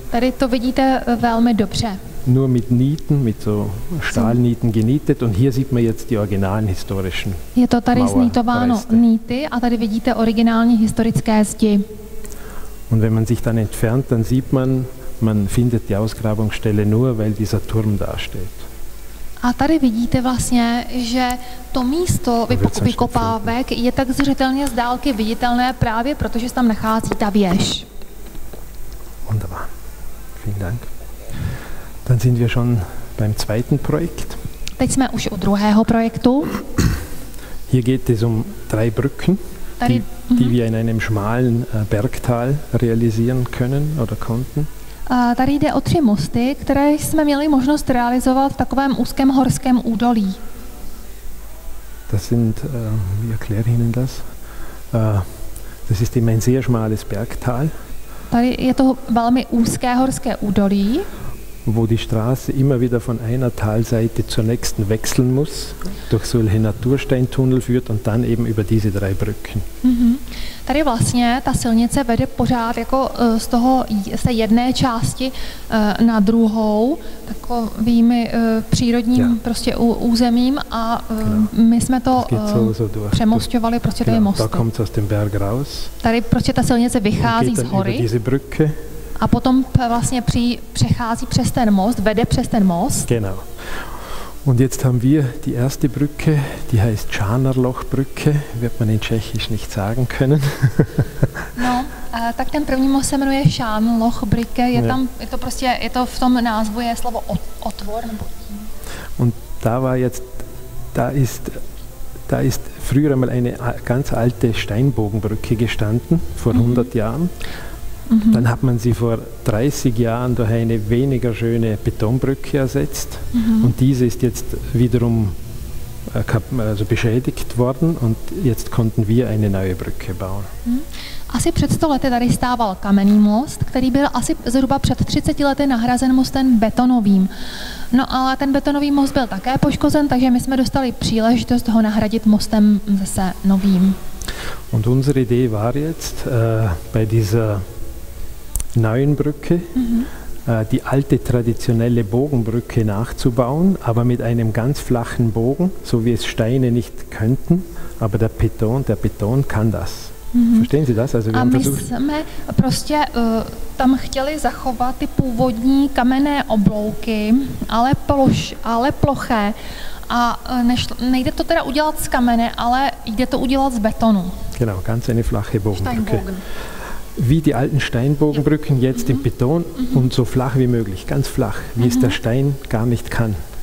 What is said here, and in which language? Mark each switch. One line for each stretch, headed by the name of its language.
Czech: Tady to vidíte velmi dobře.
German: Nur mit Nieten, mit so Stahlnieten genietet und hier sieht man jetzt die originalen historischen
Czech: Mauerreste. Je to tady znítováno nity a tady vidíte originální historické zdi.
German: Und wenn man sich dann entfernt, dann sieht man, man findet die Ausgrabungsstelle nur, weil dieser Turm da steht.
Czech: A tady vidíte vlastně, že to místo vykopávek je tak zřetelně z dálky viditelné právě protože se tam nachází ta věž.
German: Wunderbar. Vielen Dank. Dann sind wir schon beim zweiten Projekt.
Czech: Teď jsme už u druhého projektu.
German: Hier geht es um drei Brücken, tady, die wir in einem schmalen Bergtal realisieren können oder konnten.
Czech: Tady jde o tři mosty, které jsme měli možnost realizovat v takovém úzkém horském údolí.
German: Das sind, wie erkläre ich Ihnen das? Das ist eben ein sehr schmales Bergtal.
Czech: Tady je to velmi úzké horské údolí.
German: Wo die Straße immer wieder von einer Talseite zur nächsten wechseln muss, durch solche Natursteintunnel führt und dann eben über diese drei Brücken. Mm-hmm.
Czech: Tady vlastně ta silnice vede pořád jako z toho z té jedné části na druhou takovými přírodním prostě územím a my jsme to přemosťovali prostě ty mosty.
German: Da kommt's aus dem Berg raus.
Czech: Tady prostě ta silnice vychází z hory.
German: Über diese Brücke.
Czech: A potom vlastně přechází přes ten most, vede přes ten most.
German: Genau. Und jetzt haben wir die erste Brücke, die heißt Scharnerlochbrücke, wird man in Tschechisch nicht sagen können.
Czech: No, tak ten první most se jmenuje Scharnerlochbrücke, je tam, je to prostě, je to v tom názvu je slovo otvor nebo tím.
German: Und da war jetzt, da ist früher einmal eine ganz alte Steinbogenbrücke gestanden, vor 100 Jahren. Dann hat man sie vor 30 Jahren durch eine weniger schöne Betonbrücke ersetzt und diese ist jetzt wiederum also beschädigt worden und jetzt konnten wir eine neue Brücke bauen.
Czech: Asi před 100 lety tady stával kamenný most, který byl asi zhruba před 30 lety nahrazen mostem betonovým. No ale ten betonový most byl také poškozen, takže my jsme dostali příležitost ho nahradit mostem zase novým.
German: Und unsere Idee war jetzt bei dieser neuen Brücke die alte traditionelle Bogenbrücke nachzubauen, aber mit einem ganz flachen Bogen, so wie es Steine nicht könnten, aber der Beton kann das. Verstehen Sie das? Also wir haben versucht.
Czech: Jsme prostě tam chtěli zachovat ty původní kamenné oblouky, ale ploché. A nejde to teda udělat z kamene, ale jde to udělat z betonu.
German: Genau, ganz eine flache Bogenbrücke. Wie die alten Steinbogenbrücken jetzt im Beton und so flach wie möglich, ganz flach, wie es der Stein gar nicht kann.